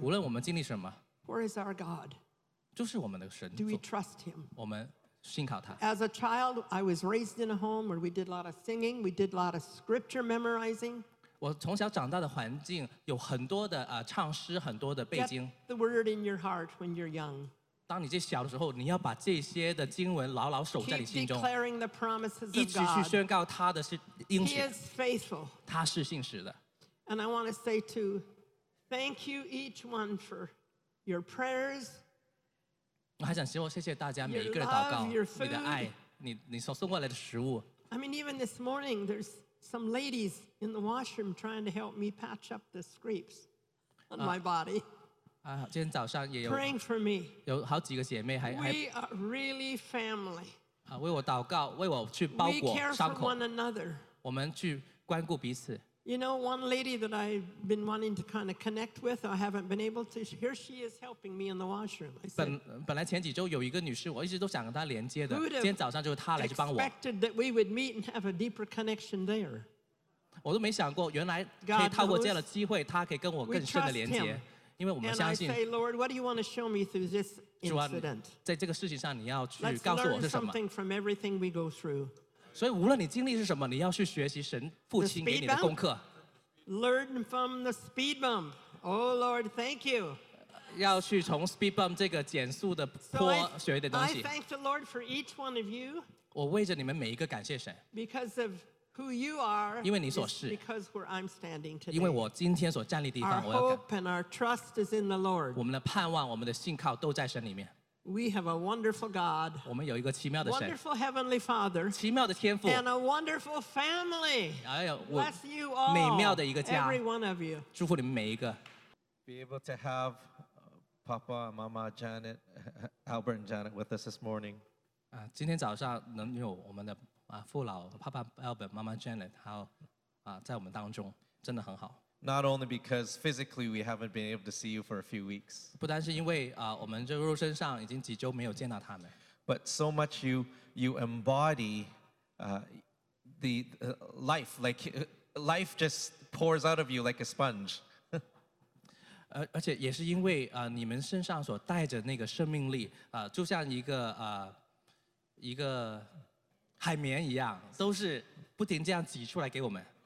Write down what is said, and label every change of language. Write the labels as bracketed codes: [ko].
[zh] 无论我们经历什么, [en] where is our God? [zh] 就是我们的神, [en] do we trust him? [zh] 我们信靠他。 [en] As a child, I was raised in a home where we did a lot of singing, we did a lot of scripture memorizing. [zh] 我从小长大的环境, 有很多的, 唱诗, 很多的背经。 [en] Get the word in your heart when you're young. [zh] 当你这小的时候, 你要把这些的经文牢牢守在你心中, [en] Keep declaring the promises of God. [zh] 一直去宣告他的应许, [en] He is faithful. [zh] 他是信实的。 [en] And I want to say to thank you each one for your prayers, [zh] 我还想说谢谢大家每一个人祷告, [en] your love, your food, [zh] 你的爱, 你所送过来的食物。 [en] I mean, even this morning, there's some ladies in the washroom trying to help me patch up the scrapes on my body. [zh] 今天早上也有, [en] praying for me. [zh] 有好几个姐妹还, [en] we are really family. [zh] 为我祷告, 为我去包裹, [en] we care for [zh] 伤口, [en] one another. [zh] 我们去关顾彼此。 [en] You know, one lady that I've been wanting to kind of connect with, I haven't been able to. Here she is helping me in the washroom. I said, [zh] 本来前几周有一个女士, 我一直都想跟她连接的, 今天早上就是她来去帮我。 [en] Who'd have expected that we would meet and have a deeper connection there? [zh] 我都没想过, 原来可以透过这样的机会, 她可以跟我更深的连接。 [en] And I say, Lord, what do you want to show me through this incident? [zh] 主啊, 在这个事情上, [en] Let's learn something from everything we go through. [zh] 所以无论你经历是什么, 你要去学习神父亲给你的功课。 [en] Learn from the speed bump. Oh, Lord, thank you. [zh] 要去从 speed bump 这个减速的坡 学一点东西。 [en] So I thank the Lord for each one of you. [zh] 我为着你们每一个感谢神。 [en] Because of who you are, [zh] 因为你所是, [en] because where I'm standing today. [zh] 因为我今天所站立的地方, [en] our hope and our trust is in the Lord. [zh] 我们的盼望, 我们的信靠都在神里面。 [en] We have a wonderful God, [zh] 我们有一个奇妙的神, [en] wonderful Heavenly Father, [zh] 奇妙的天父, [en] and a wonderful family. [zh] 哎呦, [en] bless you all, [zh] 美妙的一个家, [en] every one of you. [zh] 祝福你们每一个。 [en] Be able to have Papa and Mama Janet, Albert and Janet with us this morning. [zh] 今天早上能有我们的 父老, Papa Albert, Mama Janet, 还有, 在我们当中, 真的很好。 [en] Not only because physically we haven't been able to see you for a few weeks, [zh] 不单是因为, 我们这肉身上已经几周没有见到他们, [en] but so much you embody the life, like life just pours out of you like a sponge. [zh] 而且也是因为, 你们身上所带着那个生命力, 就像一个, 一个, 海绵一样, 都是不停这样挤出来给我们。